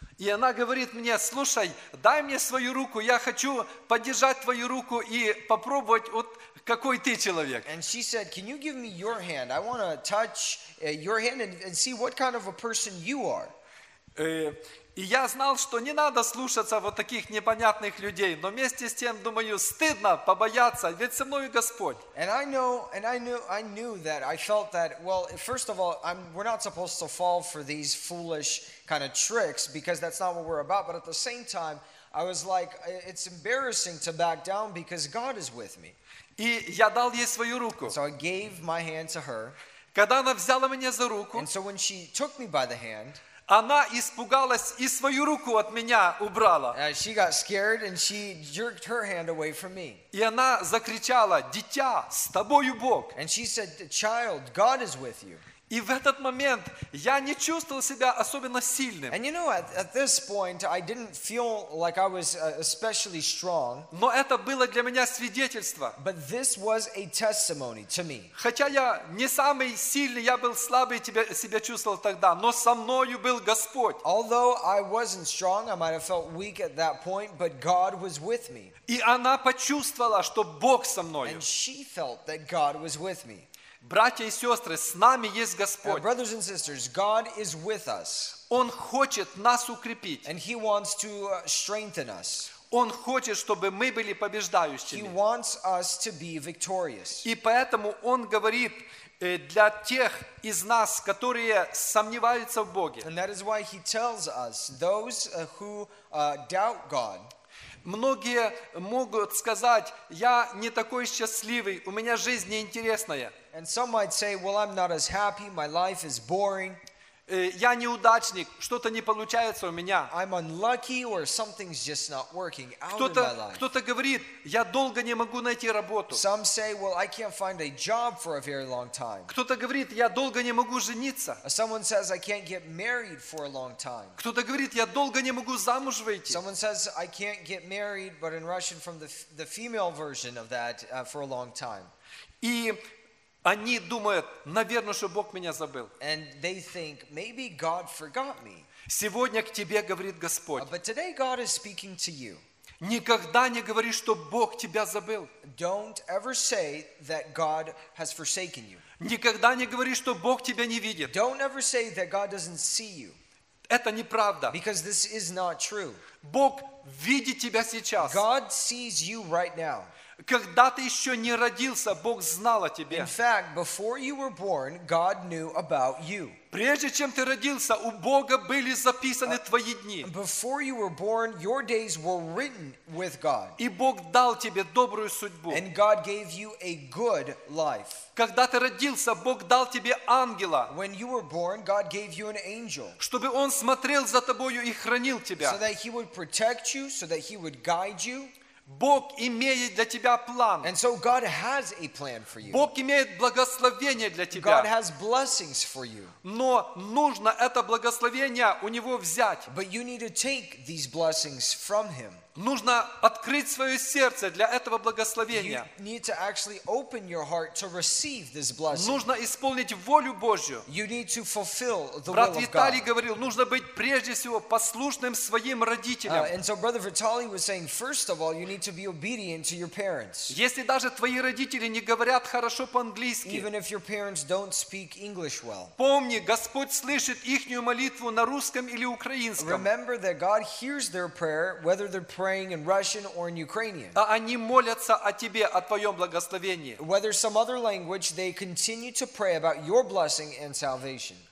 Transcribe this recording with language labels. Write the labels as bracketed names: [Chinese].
[Russian] И она говорит мне, слушай, дай мне свою руку, я хочу подержать твою руку и попробовать, вот какой ты человек. [English] And she said, can you give me your hand? I want to touch your hand and see what kind of a person you are. [Russian] И я знал, что не надо слушаться вот таких непонятных людей, но вместе с тем, думаю, стыдно побояться, ведь со мной Господь. [English] And I knew that I felt that, well, first of all, we're not supposed to fall for these foolish kind of tricks, because that's not what we're about, but at the same time, I was like, it's embarrassing to back down, because God is with me. [Russian] И я дал ей свою руку. [English] So I gave my hand to her. [Russian] Когда она взяла меня за руку, [English] and so when she took me by the hand, [Russian] Она испугалась и свою руку от меня убрала. [English] She got scared and she jerked her hand away from me. [Russian] И она закричала: «Дитя, с тобою Бог!» [English] And she said, «Child, God is with you». [Russian] И в этот момент я не чувствовал себя особенно сильным. [English] And you know, at this point, I didn't feel like I was especially strong. [Russian] Но это было для меня свидетельство. [English] But this was a testimony to me. [Russian] Хотя я не самый сильный, я был слабый, себя чувствовал тогда, но со мною был Господь. [English] Although I wasn't strong, I might have felt weak at that point, but God was with me. [Russian] И она почувствовала, что Бог со мною. [English] And she felt that God was with me. [Russian] Братья и сестры, с нами есть Господь. [English] Brothers and sisters, God is with us. [Russian] Он хочет нас укрепить. [English] And he wants to strengthen us. [Russian] Он хочет, чтобы мы были побеждающими. [English] He wants us to be victorious. [Russian] И поэтому он говорит для тех из нас, которые сомневаются в Боге. [English] And that is why he tells us, those who doubt God. [Russian] Многие могут сказать: я не такой счастливый, у меня жизнь неинтересная. [English] And some might say, well, I'm not as happy, my life is boring. [Russian] Я неудачник, что-то не получается у меня. [English] I'm unlucky or something's just not working out [Russian] кто-то, [English] in my life. [Russian] Кто-то говорит: я долго не могу найти работу. [English] Some say, well, I can't find a job for a very long time. [Russian] Кто-то говорит: я долго не могу жениться. [English] Someone says, I can't get married for a long time. [Russian] Кто-то говорит: я долго не могу замуж выйти. [English] Someone says, I can't get married, but in Russian from the female version of that, for a long time. [Russian] И они думают: наверное, что Бог меня забыл. [English] And they think, maybe God forgot me. [Russian] Сегодня к тебе говорит Господь. [English] But today God is speaking to you. [Russian] Никогда не говори, что Бог тебя забыл. [English] Don't ever say that God has forsaken you. [Russian] Никогда не говори, что Бог тебя не видит. [English] Don't ever say that God doesn't see you. [Russian] Это неправда. [English] Because this is not true. [Russian] Бог видит тебя сейчас. [English] God sees you right now. [Russian] Когда ты еще не родился, Бог знал о тебе. [English] In fact, before you were born, God knew about you. [Russian] Прежде чем ты родился, у Бога были записаны твои дни. [English] Before you were born, your days were written with God. [Russian] И Бог дал тебе добрую судьбу. [English] And God gave you a good life. [Russian] Когда ты родился, Бог дал тебе ангела. [English] When you were born, God gave you an angel. [Russian] Чтобы он смотрел за тобою и хранил тебя. [English] So that he would protect you, so that he would guide you. [Russian] Бог имеет для тебя план. [English] And so God has a plan for you. [Russian] Бог имеет благословение для тебя. [English] God has blessings for you. [Russian] Но нужно это благословение у него взять. [English] But you need to take these blessings from him. [Russian] Нужно открыть свое сердце для этого благословения. [English] You need to actually open your heart to receive this blessing. [Russian] Нужно исполнить волю Божью. [English] You need to fulfill the [Russian] Брат [English] will [Russian] Виталий [English] of God. [Russian] Говорил, нужно быть прежде всего послушным своим родителям. [English] And so Brother Vitaly was saying, first of all, you need to be obedient to your parents. [Russian] Если даже твои родители не говорят хорошо по-английски, [English] even if your parents don't speak English well, [Russian] помни, Господь слышит ихнюю молитву на русском или украинском. [English] Remember that God hears their prayer, whether they're praying in Russian or in Ukrainian. [Russian] А они молятся о тебе, о твоем благословении. [English] Whether some other language, they continue to pray about your blessing and salvation.